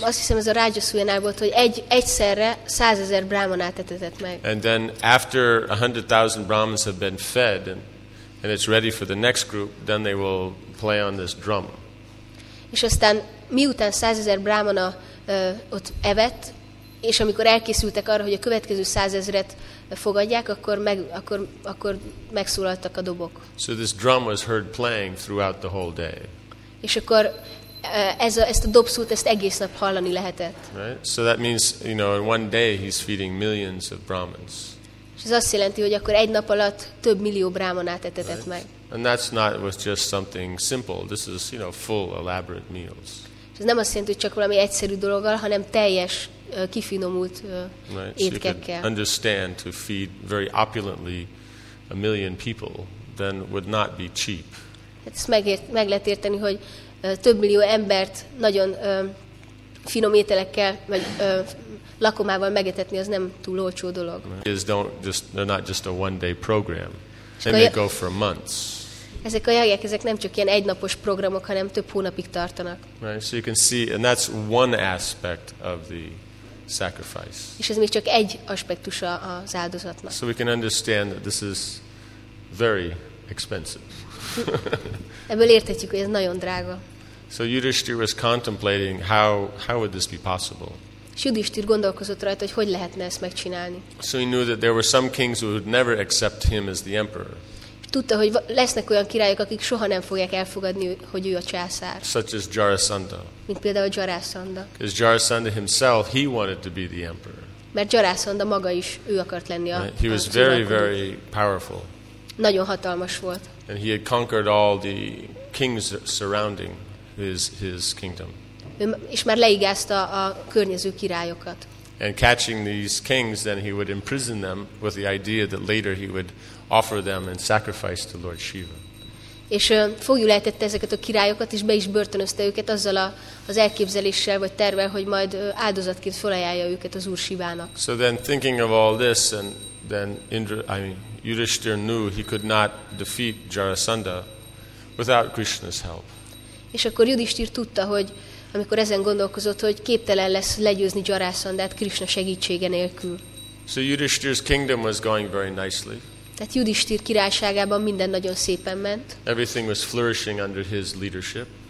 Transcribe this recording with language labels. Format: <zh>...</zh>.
<hu>Azt hiszem, ez a Rajasuya-nál volt, hogy egyszerre 100,000 Brahmanát etetett meg.</hu> <en>And then after 100,000 Brahmins have been fed and it's ready for the next group, then they will play on this drum.</en> <hu>És aztán miután 100,000 Brahmana ott evett, és amikor elkészültek arra, hogy a következő 100,000-et fogadják, akkor megszólaltak a dobok.</hu> <en>So this drum was heard playing throughout the whole day.</en> <hu>És akkor ezt a dobszót ezt egész nap hallani lehetett.</hu> <en>Right? So that means, you know, in one day he's feeding millions of Brahmins.</en> <hu>És ez azt jelenti, hogy akkor egy nap alatt több millió Brahmanát etetett</hu> <en>right?</en> <hu>meg.</hu> <en>And that's not was just something simple. This is, you know, full elaborate meals.</en> <hu>Ez nem azt jelenti, hogy csak valami egyszerű dologgal, hanem teljes kifinomult étkekkel.</hu> <en>So you understand to feed very opulently a million people, then would not be cheap.</en> <hu>Meg lehet érteni, hogy több millió embert nagyon finom ételekkel, vagy lakomával megetetni, az nem túl olcsó dolog.</hu> <en>They're not just a one-day program. They may go for months.</en> <hu>Ezek a jajek, ezek nem csak ilyen egynapos programok, hanem több hónapig tartanak.</hu> <en>Right, so you can see, and that's one aspect of the sacrifice.</en> <hu>És ez még csak egy aspektusa az áldozatnak.</hu> <en>So we can understand that this is very expensive.</en> <hu>Ebből érthetjük, hogy ez nagyon drága.</hu> <en>So Yudhishthir was contemplating how would this be possible.</en> <hu>És Yudhishthir gondolkozott rajta, hogy hogyan lehetne ezt megcsinálni.</hu> <en>So he knew that there were some kings who would never accept him as the emperor.</en> <hu>Tudta, hogy lesznek olyan királyok, akik soha nem fogják elfogadni, hogy ő a császár.</hu> <en>Such as Jarasandha.</en> <hu>Mint például Jarasandha.</hu> <en>Because Jarasandha himself, he wanted to be the emperor.</en> <hu>Mert Jarasandha maga is, ő akart lenni a</hu> <en>he was</en> <hu>kiválkodó.</hu> <en>Very, very powerful.</en> <hu>Nagyon hatalmas volt.</hu> <en>And he had conquered all the kings surrounding his kingdom.</en> <hu>És már leigázta a környező királyokat.</hu> <en>And catching these kings, then he would imprison them with the idea that later he would offer them in sacrifice to Lord Shiva.</en> <hu>És fogjul ejtette ezeket a királyokat, és be is börtönözte őket azzal az elképzeléssel, vagy tervel, hogy majd áldozatként felajánlja őket az Úr Shivának.</hu> <en>So then thinking of all this, and then Yudhishthir knew he could not defeat Jarasandha without Krishna's help.</en> <hu>És akkor Yudhishthir tudta, hogy amikor ezen gondolkozott, hogy képtelen lesz legyőzni Jarasandhát Krishna segítsége nélkül.</hu> <en>So Yudhishthir's kingdom was going very nicely.</en> <hu>Tehát Yudhishthir királyságában minden nagyon szépen ment.</hu> <en>Everything was flourishing under his leadership.</en>